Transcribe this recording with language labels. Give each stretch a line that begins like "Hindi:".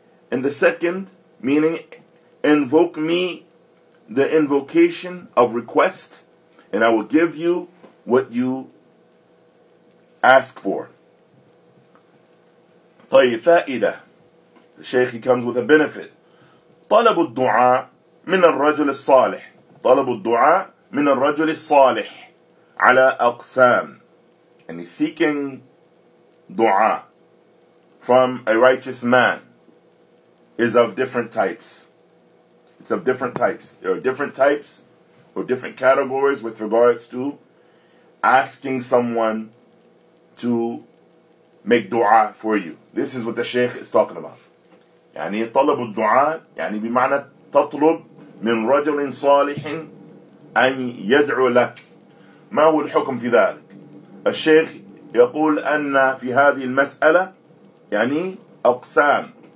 English: And the second, meaning invoke me, the invocation of request, and I will give you what you ask for.
Arabic: طيب فائدة.
English: The Shaykh, he comes with a benefit.
Arabic: طلب الدعاء من الرجل الصالح. طلب الدعاء من الرجل الصالح على أقسام
English: and he's seeking دعاء from a righteous man is of different types. It's of different types. There are different types or different categories with regards to asking someone to make دعاء for you. This is what the Shaykh is talking about.
Arabic: يعني طلب الدعاء يعني بمعنى تطلب من رجل صالح أن يدعو لك ما هو الحكم في ذلك الشيخ يقول أن في هذه المسألة يعني أقسام